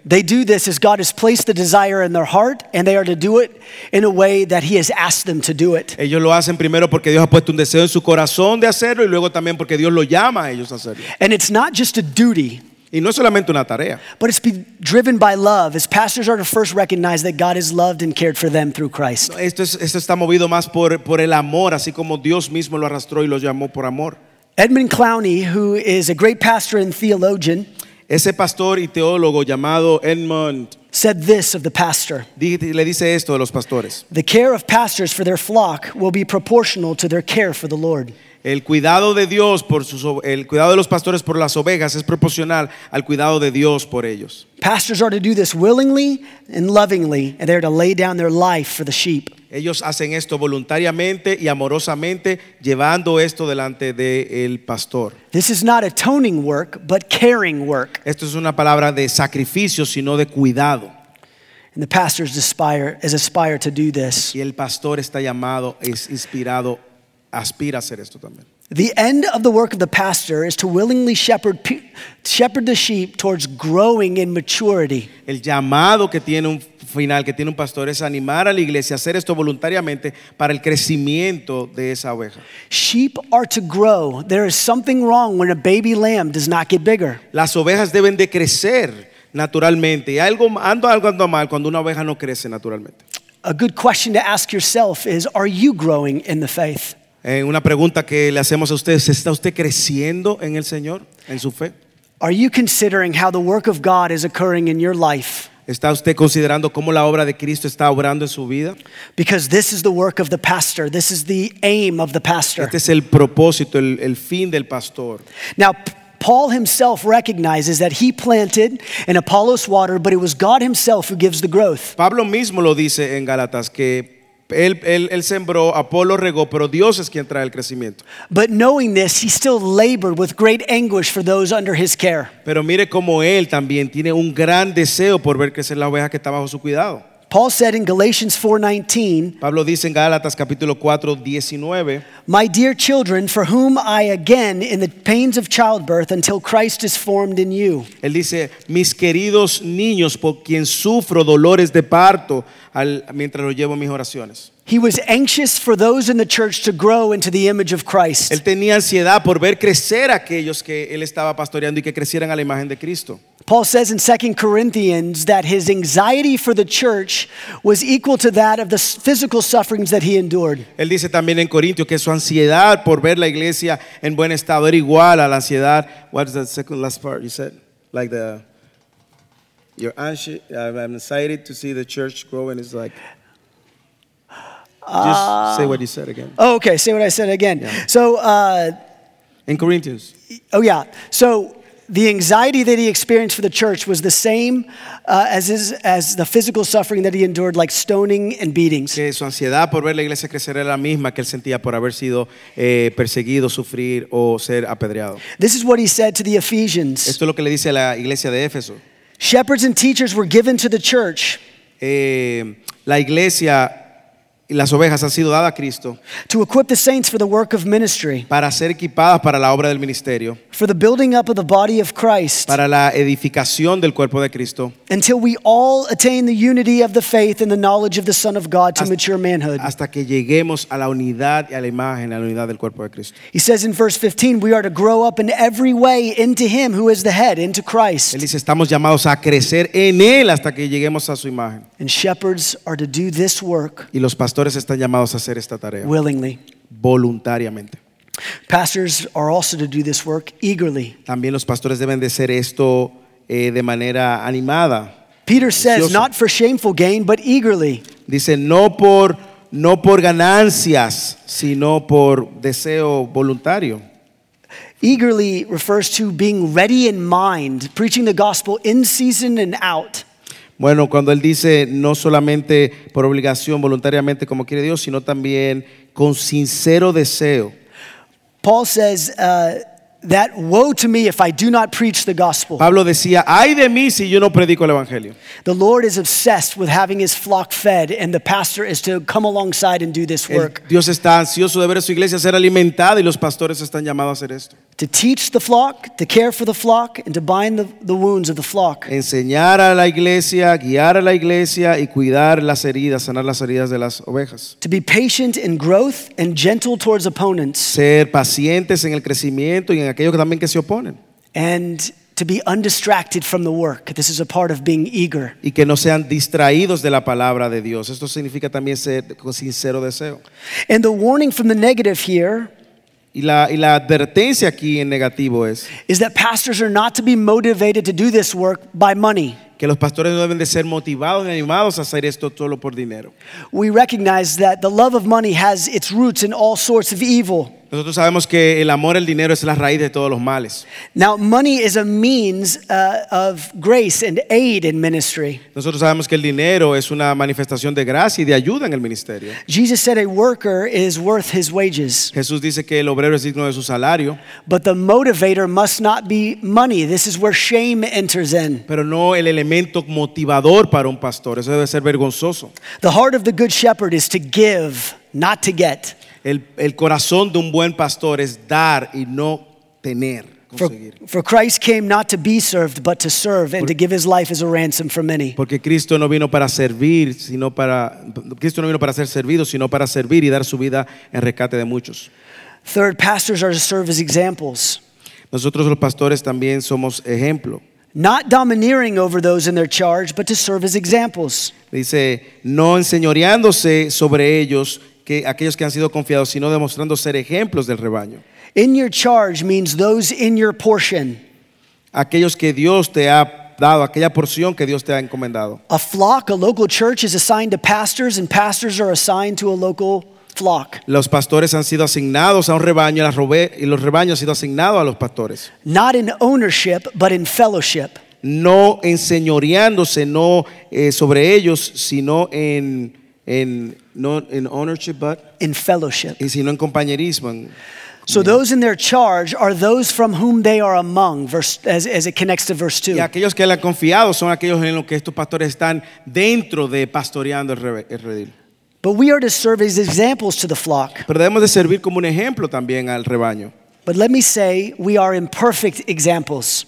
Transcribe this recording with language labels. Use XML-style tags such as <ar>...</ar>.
<en>They do this as God has placed the desire in their heart and they are to do it in a way that he has asked them to do it.</en> <es>Ellos lo hacen primero porque Dios ha puesto un deseo en su corazón de hacerlo y luego también porque Dios lo llama a ellos a hacerlo.</es> <en>And it's not just a duty.</en> <es>Y no es solamente una tarea.</es> <en>But it's been driven by love, as pastors are to first recognize that God has loved and cared for them through Christ.</en> <es>Esto está movido más por el amor, así como Dios mismo lo arrastró y lo llamó por amor.</es> <en>Edmund Clowney, who is a great pastor and theologian,</en> <es>ese pastor y teólogo llamado Edmund</es> <en>said this of the pastor.</en> <es>Le dice esto de los pastores.</es> <en>The care of pastors for their flock will be proportional to their care for the Lord.</en> <es>El cuidado de los pastores por las ovejas es proporcional al cuidado de Dios por ellos.</es> <en>Pastors are to do this willingly and lovingly, and they are to lay down their life for the sheep.</en> <es>Ellos hacen esto voluntariamente y amorosamente, llevando esto delante del pastor.</es> <en>This is not atoning work, but caring work.</en> <es>Esto es una palabra de sacrificio, sino de cuidado.</es> <en>And the pastor aspire to do this.</en> <es>Y el pastor está llamado, es inspirado. Aspira a hacer esto también.</es> <en>The end of the work of the pastor is to willingly shepherd the sheep towards growing in maturity.</en> <es>El llamado que tiene un final, que tiene un pastor, es animar a la iglesia a hacer esto voluntariamente para el crecimiento de esa oveja.</es> <en>Sheep are to grow. There is something wrong when a baby lamb does not get bigger.</en> <es>Las ovejas deben de crecer naturalmente. Y algo anda mal cuando una oveja no crece naturalmente.</es> <en>A good question to ask yourself is, are you growing in the faith?</en> <es>Una pregunta que le hacemos a ustedes, ¿está usted creciendo en el Señor, en su fe?</es> <en>Are you considering how the work of God is occurring in your life?</en> <es>¿Está usted considerando cómo la obra de Cristo está obrando en su vida?</es> <en>Because this is the work of the pastor. This is the aim of the pastor.</en> <es>Este es el propósito, el fin del pastor.</es> <en>Now, Paul himself recognizes that he planted and Apollos watered, but it was God himself who gives the growth.</en> <es>Pablo mismo lo dice en Gálatas que Él sembró, Apolo regó, pero Dios es quien trae el crecimiento.</es> <en>But knowing this, he still labored with great anguish for those under his care.</en> <es>Pero mire cómo él también tiene un gran deseo por ver crecer la oveja que está bajo su cuidado.</es> <en>Paul said in Galatians 4:19,</en> <es>Pablo dice en Gálatas capítulo 4:19,</es> <en>"My dear children, for whom I again in the pains of childbirth until Christ is formed in you."</en> <es>Él dice, "Mis queridos niños, por quien sufro dolores de parto mientras lo llevo en mis oraciones."</es> <en>He was anxious for those in the church to grow into the image of Christ.</en> <es>Él tenía ansiedad por ver crecer a aquellos que él estaba pastoreando y que crecieran a la imagen de Cristo.</es> <en>Paul says in 2 Corinthians that his anxiety for the church was equal to that of the physical sufferings that he endured.</en> <es>Él dice también en Corintios que su ansiedad por ver la iglesia en buen estado era igual a la ansiedad.</es> <en>What is the second last part you said? Like the your anxiety to see the church growing is like. Just say what you said again. Oh, okay, say what I said again. Yeah. So, in Corinthians. Oh, yeah. So, the anxiety that he experienced for the church was the same as the physical suffering that he endured, like stoning and beatings.</en> <es>Que su ansiedad por ver la iglesia crecer era la misma que él sentía por haber sido perseguido, sufrir o ser apedreado.</es> <en>This is what he said to the Ephesians.</en> <es>Esto es lo que le dice a la iglesia de Éfeso.</es> <en>Shepherds and teachers were given to the church.</en> <es>La iglesia las ovejas han sido dadas a Cristo</es> <en>to equip the saints for the work of ministry,</en> <es>para ser equipadas para la obra del ministerio,</es> <en>for the building up of the body of Christ,</en> <es>para la edificación del cuerpo de Cristo,</es> <en>until we all attain the unity of the faith and the knowledge of the Son of God to mature manhood,</en> <es>hasta que lleguemos a la unidad y a la imagen, a la unidad del cuerpo de Cristo.</es> <en>He says in verse 15, we are to grow up in every way into him who is the head, into Christ.</en> <es>Él dice, estamos llamados a crecer en él hasta que lleguemos a su imagen.</es> <en>And shepherds are to do this work,</en> <es>y los pastores están llamados a hacer esta tarea,</es> <en>willingly,</en> <es>voluntariamente.</es> <en>Pastors are also to do this work eagerly.</en> <es>También los pastores deben de hacer esto de manera animada.</es> <en>Peter says, not for shameful gain, but eagerly.</en> <es>Dice, no por ganancias, sino por deseo voluntario.</es> <en>Eagerly refers to being ready in mind, preaching the gospel in season and out.</en> <es>Bueno, cuando él dice no solamente por obligación voluntariamente como quiere Dios, sino también con sincero deseo.</es> <en>Paul says that woe to me if I do not preach the gospel.</en> <es>Pablo decía, ay de mí si yo no predico el evangelio.</es> <en>The Lord is obsessed with having his flock fed, and the pastor is to come alongside and do this work.</en> <es>Dios está ansioso de ver a su iglesia ser alimentada y los pastores están llamados a hacer esto.</es> <en>To teach the flock, to care for the flock, and to bind the wounds of the flock.</en> <es>Enseñar a la iglesia, guiar a la iglesia, y cuidar las heridas, sanar las heridas de las ovejas.</es> <en>To be patient in growth and gentle towards opponents.</en> <es>Ser pacientes en el crecimiento y en aquellos también que se oponen.</es> <en>And to be undistracted from the work. This is a part of being eager.</en> <es>Y que no sean distraídos de la palabra de Dios. Esto significa también ser con sincero deseo.</es> <en>And the warning from the negative here,</en> <es>Y la advertencia aquí en negativo es,</es> <en>is that pastors are not to be motivated to do this work by money.</en> <es>Que los pastores no deben de ser motivados ni animados a hacer esto solo por dinero.</es> <en>We recognize that the love of money has its roots in all sorts of evil.</en> <es>Nosotros sabemos que el amor al dinero es la raíz de todos los males.</es> <en>Now, money is a means of grace and aid in ministry.</en> <es>Nosotros sabemos que el dinero es una manifestación de gracia y de ayuda en el ministerio.</es> <en>Jesus said a worker is worth his wages.</en> <es>Jesús dice que el obrero es digno de su salario.</es> <en>But the motivator must not be money. This is where shame enters in.</en> <es>Pero no el elemento motivador para un pastor. Eso debe ser vergonzoso.</es> <en>The heart of the good shepherd is to give, not to get.</en> <es>El corazón de un buen pastor es dar y no tener.</es> <en>For Christ came not to be served, but to serve and to give his life as a ransom for many.</en> <es>Porque Cristo no vino para servir, sino para Cristo no vino para ser servido, sino para servir y dar su vida en rescate de muchos.</es> <en>Third, pastors are to serve as examples.</en> <es>Nosotros los pastores también somos ejemplo.</es> <en>Not domineering over those in their charge, but to serve as examples.</en> <es>Dice, no enseñoreándose sobre ellos, que aquellos que han sido confiados, sino demostrando ser ejemplos del rebaño.</es> <en>In your charge means those in your portion.</en> <es>Aquellos que Dios te ha dado, aquella porción que Dios te ha encomendado.</es> <en>A flock, a local church is assigned to pastors, and pastors are assigned to a local flock.</en> <es>Los pastores han sido asignados a un rebaño, y los rebaños han sido asignados a los pastores.</es> <en>Not in ownership, but in fellowship.</en> <es>No enseñoreándose, no sobre ellos, sino en</es> <en>not in ownership, but in fellowship.</en> <es>Y sino en compañerismo.</es> <en>So yeah. Those in their charge are those from whom they are among, as it connects to verse 2.</en> <es>Y aquellos que le han confiado son aquellos en los que estos pastores están dentro de pastoreando el redil.</es> <en>But we are to serve as examples to the flock.</en> <es>Pero debemos de servir como un ejemplo también al rebaño.</es> <en>But let me say, we are imperfect examples.</en>